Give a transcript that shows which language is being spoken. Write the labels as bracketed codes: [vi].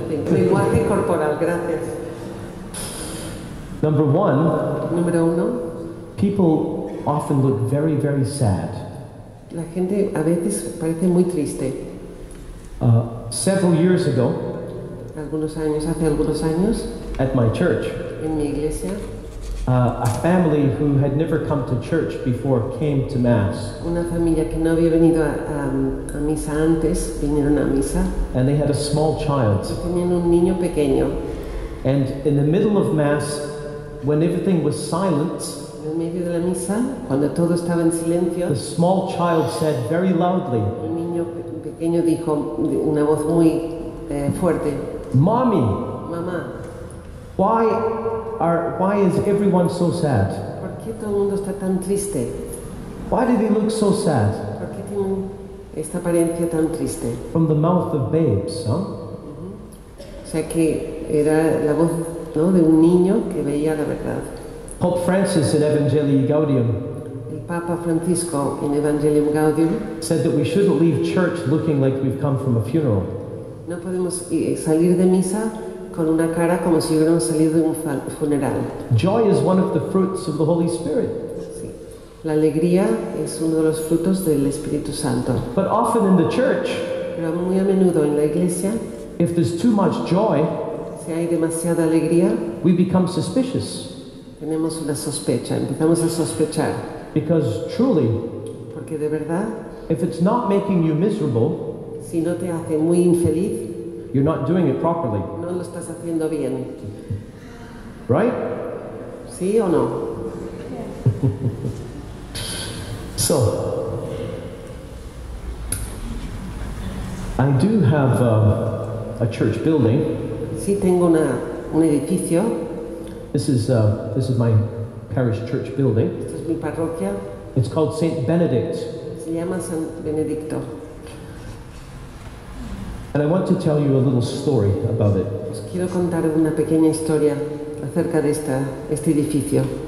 [es] Lenguaje corporal, gracias. [en] Number one. [es] Número uno. [en] People often look very, very sad. [es] La gente a veces parece muy triste. [en] Several years ago, [es] hace algunos años, [en] at my church, [es] en mi iglesia, [en] a family who had never come to church before came to mass. [es] Una familia que no había venido a misa antes vinieron a misa. [en] And they had a small child. [es] Y tenían un niño pequeño. [en] And in the middle of mass, when everything was silent, [es] en el medio de la misa, cuando todo estaba en silencio, [en] the small child said very loudly. [es] El niño pequeño dijo una voz muy fuerte. [en] Mommy. [es] Mamá. [en] Why is everyone so sad? [es] ¿Por qué todo el mundo está tan triste? [en] Why do they look so sad? [es] ¿Por qué tienen esta apariencia tan triste? [en] From the mouth of babes, huh? [es] O sea que era la voz, ¿no?, de un niño que veía la verdad. [en] Pope Francis in Evangelii Gaudium. [es] El Papa Francisco en Evangelium Gaudium [en] said that we shouldn't leave church looking like we've come from a funeral. [es] No podemos salir de misa con una cara como si hubiéramos salido de un funeral. [en] Joy is one of the fruits of the Holy Spirit. [es] Sí. La alegría es uno de los frutos del Espíritu Santo. [en] But often in the church, [es] pero muy a menudo en la iglesia, [en] if there's too much joy, [es] si hay demasiada alegría, [en] we become suspicious. [es] Tenemos una sospecha, empezamos a sospechar. [en] Because truly, [es] porque de verdad, [en] if it's not making you miserable, [es] si no te hace muy infeliz, [en] you're not doing it properly. [es] No lo estás haciendo bien. [en] Right? [es] ¿Sí o no? [en] So, I do have a church building. [es] Sí, tengo un edificio. [en] This is my parish church building. [es] Esta es mi parroquia. [en] It's called Saint Benedict. [es] Se llama San Benedicto. [en] And I want to tell you a little story about it. [es] Os quiero contar una pequeña historia acerca de este edificio.